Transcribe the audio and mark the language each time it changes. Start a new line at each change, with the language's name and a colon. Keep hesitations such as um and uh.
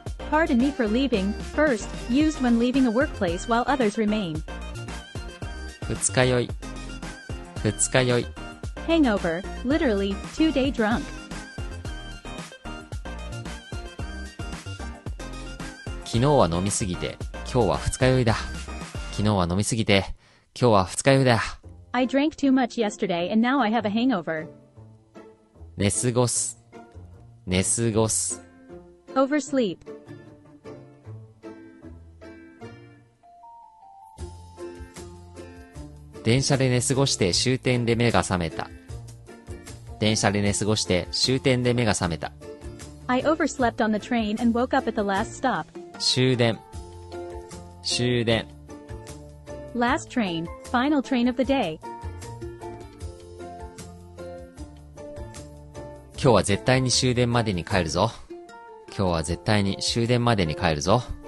English: Pardon me for leaving, first, used when leaving a workplace while others remain.
Japanese: 二日酔い、二日酔い。
English: Hangover, literally, two day drunk.
Japanese: 昨日は飲みすぎて、今日は二日酔いだ。昨日は飲みすぎて、今日は二日酔いだ。
English: I drank too much yesterday and now I have a hangover.
Japanese: 寝過ごす、寝過ごす。
English: oversleep.
Japanese: 電車で寝過ごして終点で目が覚めた。電車で寝過ごして終点で目が覚めた。
English: I overslept on the train and woke up at the last stop.
Japanese: 終電、終電。
English: last train, final train of the day.
Japanese: 今日は絶対に終電までに帰るぞ。今日は絶対に終電までに帰るぞ。